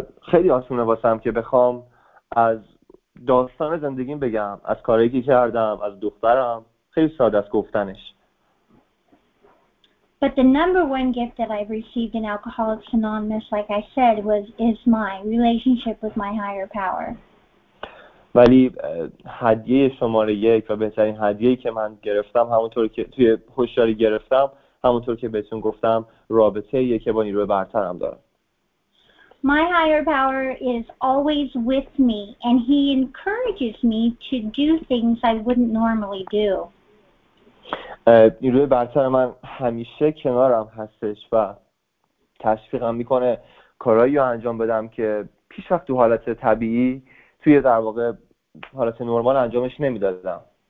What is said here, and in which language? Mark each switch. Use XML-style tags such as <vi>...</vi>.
<fa>خیلی آسونه واسم که بخوام از داستان زندگیم بگم، از کارهایی که کردم، از دخترم، خیلی ساده است گفتنش.</fa> <en>But the number one gift that I've received in Alcoholics Anonymous, like I said, is my relationship with my higher power.</en> <fa>ولی هدیه شماره یک و بهترین هدیه‌ای که من گرفتم، همونطور که توی هوشیاری گرفتم، همونطور که بهتون گفتم، رابطه یکی با نیروی برترم دارم.</fa> <en>My higher power is always with me, and he encourages me to do things I wouldn't normally do.</en> <fa>نیروی برتر من همیشه کنارم هستش و تشویقم میکنه کارهایی رو انجام بدم که پیش وقت تو حالت طبیعی توی در واقع حالت نرمال انجامش نمیدادم.</fa>